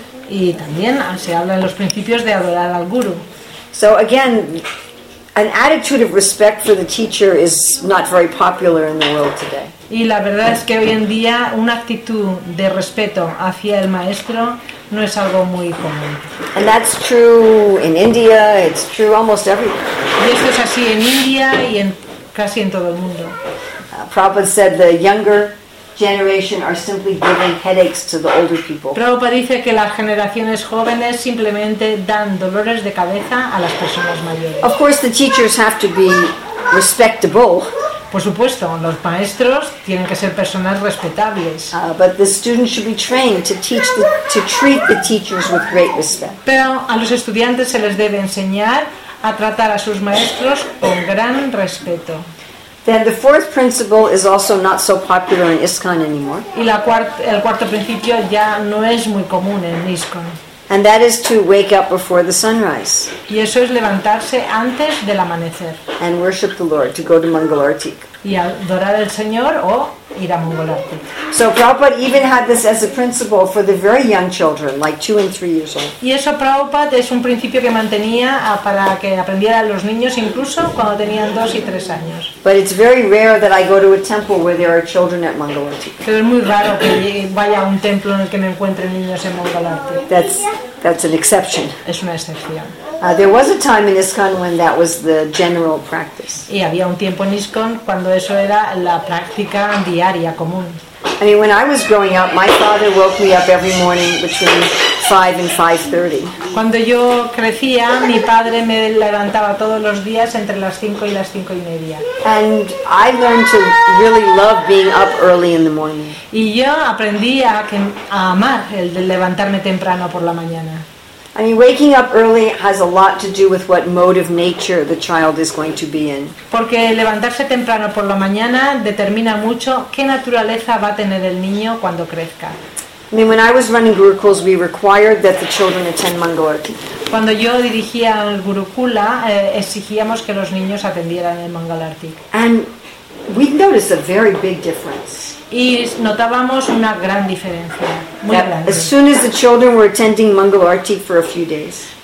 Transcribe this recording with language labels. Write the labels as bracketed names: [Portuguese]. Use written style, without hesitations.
[Spanish] Y también se habla en los principios de adorar al Guru. [English] So again, an attitude of respect for the teacher is not very popular in the world today. [Spanish] Y la verdad es que hoy en día una actitud de respeto hacia el maestro no es algo muy común. [English] And that's true in India, it's true almost everywhere. [Spanish] Y esto es así en India y en casi en todo el mundo. [English] Prabhupada said the younger generation are simply giving headaches to the older people. [Spanish] Prabhupada dice que las generaciones jóvenes simplemente dan dolores de cabeza a las personas mayores. [English] Of course, the teachers have to be respectable. [Spanish] Por supuesto, los maestros tienen que ser personas respetables. [English] But the students should be trained to treat the teachers with great respect. [Spanish] Pero a los estudiantes se les debe enseñar a tratar a sus maestros con gran respeto. [English] Then the fourth principle is also not so popular in ISKCON anymore. [Spanish] Y la el cuarto principio ya no es muy común en ISKCON. [English] And that is to wake up before the sunrise. [Spanish] Y eso es levantarse antes del amanecer. [English] And worship the Lord, to go to Mangal Arati. [Spanish] Y adorar al Señor o ir a Mangal Arati. [English] So Prabhupada even had this as a principle for the very young children, like 2 and 3 years old. [Spanish] Y eso Prabhupada es un principio que mantenía para que aprendieran los niños incluso cuando tenían 2 y 3 años. [English] But it's very rare that I go to a temple where there are children at Mangal Arati. [Spanish] Pero es muy raro que vaya a un templo en el que me encuentre niños en Mangal Arati. [English] That's an exception. [Spanish] Es una excepción. [English] There was a time in ISKCON when that was the general practice. [Spanish] Y había un tiempo en ISKCON cuando eso era la práctica diaria común. [English] I mean, when I was growing up, my father woke me up every morning between 5 and 5:30. [Spanish] Cuando yo crecía, mi padre me levantaba todos los días entre las 5 y las 5:30. [English] And I learned to really love being up early in the morning. [Spanish] Y yo aprendí a amar el de levantarme temprano por la mañana. [English] I mean, waking up early has a lot to do with what mode of nature the child is going to be in. [Spanish] Porque levantarse temprano por la mañana determina mucho qué naturaleza va a tener el niño cuando crezca. [English] I mean, when I was running gurukuls, we required that the children attend Mangal Arati. [Spanish] Cuando yo dirigía el gurukula, exigíamos que los niños atendieran el Mangal Arati. [English] And we noticed a very big difference. [Spanish] Y notábamos una gran diferencia, muy grande. [English] As soon as the children were attending Mangal Arati for a few days.